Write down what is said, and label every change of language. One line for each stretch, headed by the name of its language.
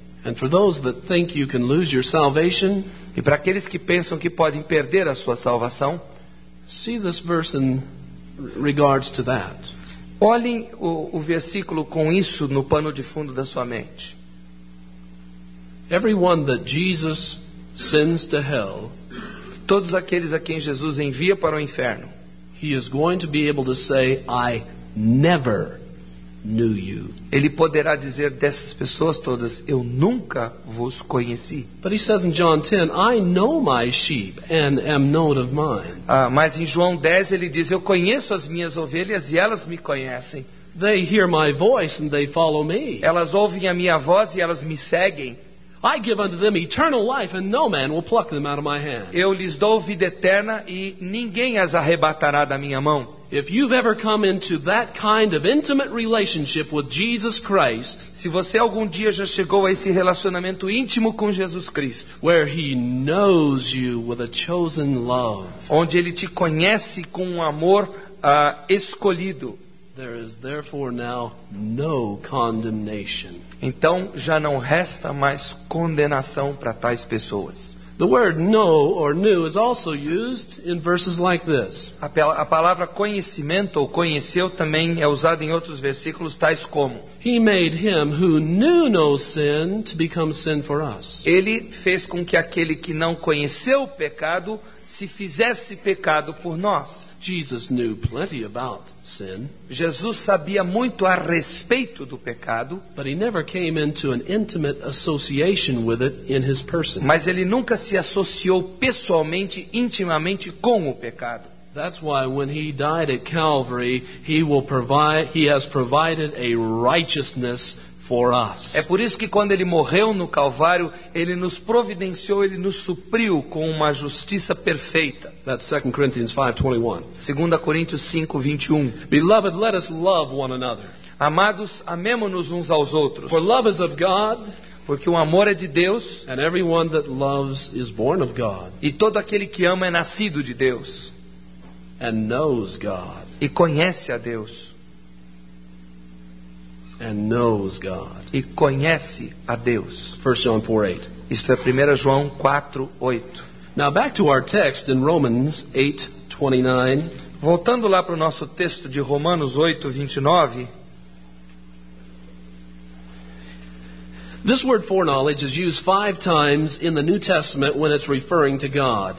English: And for those that think you can lose your salvation,
Portuguese: e para aqueles que pensam que podem perder a sua salvação,
English: see this verse in regards to that.
Portuguese: Olhem o versículo com isso no pano de fundo da sua mente.
English: Everyone that Jesus sends to hell,
Portuguese: todos aqueles a quem Jesus envia para o inferno,
English: he is going to be able to say, I never knew you.
Portuguese: Ele poderá dizer dessas pessoas todas, eu nunca vos conheci.
English: But he says in John 10, I know my sheep and am known of mine.
Portuguese: Mas em João 10 ele diz, eu conheço as minhas ovelhas e elas me conhecem.
English: They hear my voice and they follow me.
Portuguese: Elas ouvem a minha voz e elas me seguem.
English: I give unto them eternal life and no man will pluck them out of my hand.
Portuguese: Eu lhes dou vida eterna e ninguém as arrebatará da minha mão.
English: If you've ever come into that kind of intimate relationship with Jesus Christ,
Portuguese: se você algum dia já chegou a esse relacionamento íntimo com Jesus Cristo,
English: where he knows you with a chosen love,
Portuguese: onde ele te conhece com um amor escolhido,
English: there is therefore now no condemnation.
Portuguese: Então já não resta mais condenação para tais pessoas.
English: The word know or knew is also used in verses like this.
Portuguese: A palavra conhecimento ou conheceu também é usada em outros versículos tais como:
English: He made him who knew no sin to become sin for us.
Portuguese: Ele fez com que aquele que não conheceu o pecado se fizesse pecado por nós.
English: Jesus knew plenty about sin.
Portuguese: Jesus sabia muito a respeito do pecado,
English: but he never came into an intimate association with it in his person.
Portuguese: Mas ele nunca se associou pessoalmente, intimamente com o pecado.
English: That's why when he died at Calvary, he has provided a righteousness for us.
Portuguese: É por isso que quando ele morreu no Calvário, ele nos providenciou, ele nos supriu com uma justiça perfeita.
English: That's 2 Corinthians 5:21.
Portuguese: 2 Coríntios 5:21.
English: Beloved, let us love one another.
Portuguese: Amados, amemo-nos uns aos outros.
English: For love is of God,
Portuguese: porque o amor é de Deus.
English: And everyone that loves is born of God.
Portuguese: E todo aquele que ama é nascido de Deus.
English: And knows God.
Portuguese: E conhece a Deus.
English: And knows God.
Portuguese: E conhece a Deus.
English: 1 John 4:8.
Portuguese: Isto é 1 João 4:8.
English: Now back to our text in Romans 8:29.
Portuguese: Voltando lá para o nosso texto de Romanos 8:29.
English: This word foreknowledge is used 5 times in the New Testament when it's referring to God.